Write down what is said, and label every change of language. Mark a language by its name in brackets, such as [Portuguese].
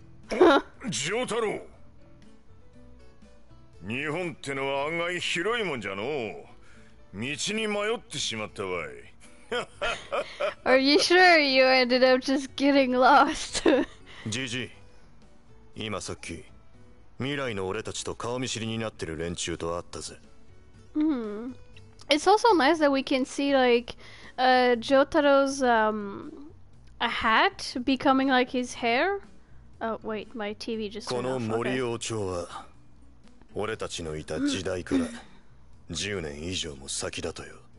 [Japanese] ジョータロー、日本ってのは案外広いもんじゃの。道に迷ってしまったわい。 [English] Are you sure you ended up just getting lost? [Japanese] ジジ、今さっき未来の俺たちと顔見知りになってる連中と会ったぜ。 [English] It's also nice that we can see like Jotaro's hat becoming like his hair. wait, my TV just went off. [Japanese] この森王朝は俺たちのいた時代から10年以上も先だとよ。